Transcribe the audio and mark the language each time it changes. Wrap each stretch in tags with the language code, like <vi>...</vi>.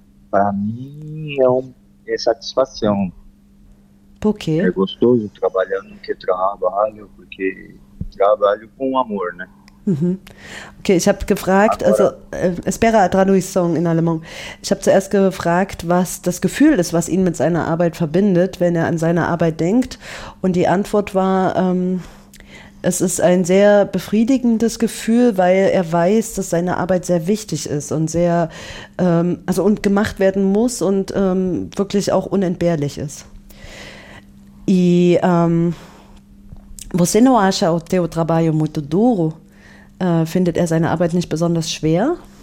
<pt>Para mim é uma satisfação. Por quê? É gostoso trabalhar no que trabalho, porque trabalho com amor, né? Uhum.</pt> <de>Okay, ich habe gefragt, also</de> <pt>espera a tradução in alemão.</pt> <de>Ich habe zuerst gefragt, was das Gefühl ist, was ihn mit seiner Arbeit verbindet, wenn er an seine Arbeit denkt. Und die Antwort war, es ist ein sehr befriedigendes Gefühl, weil er weiß, dass seine Arbeit sehr wichtig ist und sehr, also und gemacht werden muss und wirklich auch unentbehrlich ist.</de> <pt>E você não acha o teu trabalho muito duro?</pt> <de>Findet er seine Arbeit nicht besonders schwer?</de>